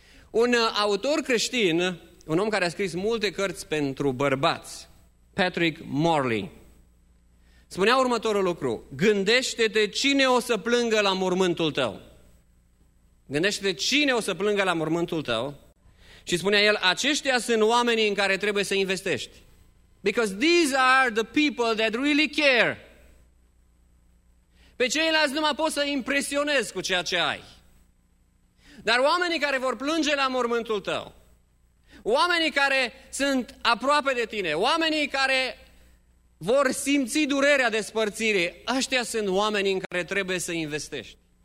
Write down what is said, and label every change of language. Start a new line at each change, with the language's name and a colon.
Romanian: Un autor creștin, un om care a scris multe cărți pentru bărbați, Patrick Morley, Spunea următorul lucru: gândește-te cine o să plângă la mormântul tău. Gândește-te cine o să plângă la mormântul tău. Și spunea el: aceștia sunt oamenii în care trebuie să investești.
English: Because these are the people that really care.
Romanian: Pe ceilalți nu mai poți să impresionezi cu ceea ce ai. Dar oamenii care vor plânge la mormântul tău, oamenii care sunt aproape de tine, oamenii care vor simți durerea despărțirii, ăștia sunt oamenii în care trebuie să investești.